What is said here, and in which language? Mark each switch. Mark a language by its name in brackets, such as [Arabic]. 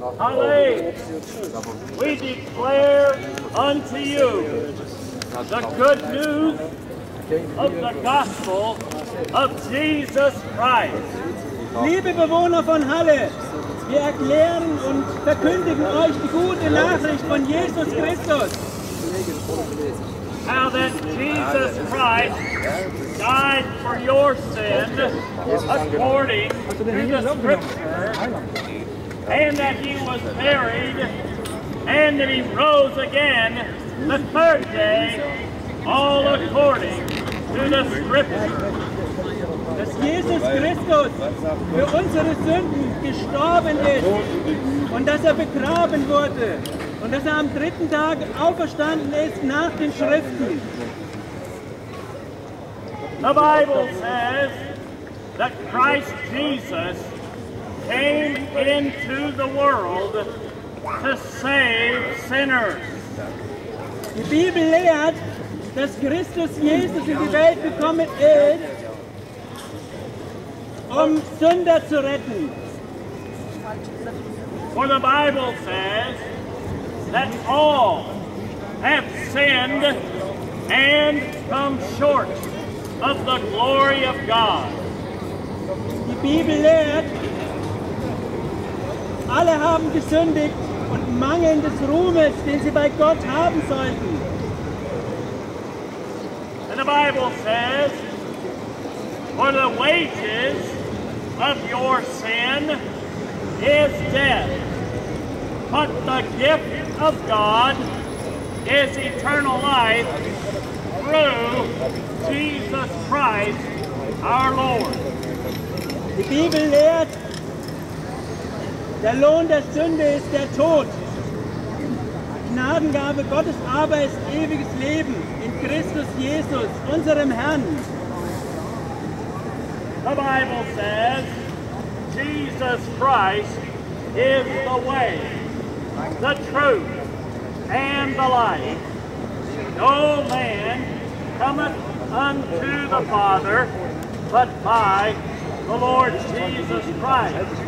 [English] We declare unto you the good news of the gospel of Jesus Christ. [German] Liebe Bewohner von Halle, wir erklären und verkündigen euch die gute Nachricht von Jesus Christus. [English] How that Jesus Christ died for your sin according to the scripture, and that he was buried, and that he rose again the third day, all according to the scripture. [German] Dass Jesus Christus für unsere Sünden gestorben ist und dass er begraben wurde und dass er am dritten Tag auferstanden ist nach den Schriften. [English] The Bible says that Christ Jesus came into the world to save sinners. [German] Die Bibel lehrt, dass Christus Jesus in die Welt gekommen ist, Sünder zu retten. [English] For the Bible says that all have sinned and come short of the glory of God. [German] Die Bibel lehrt, alle haben gesündigt und mangeln des Ruhmes, den sie bei Gott haben sollten. [English] And the Bible says, for the wages of your sin is death, but the gift of God is eternal life through Jesus Christ our Lord. [German] Die Bibel lehrt, der Lohn der Sünde ist der Tod. Gnadengabe Gottes aber ist ewiges Leben in Christus Jesus, unserem Herrn. [English] The Bible says, Jesus Christ is the way, the truth, and the life. No man cometh unto the Father but by the Lord Jesus Christ.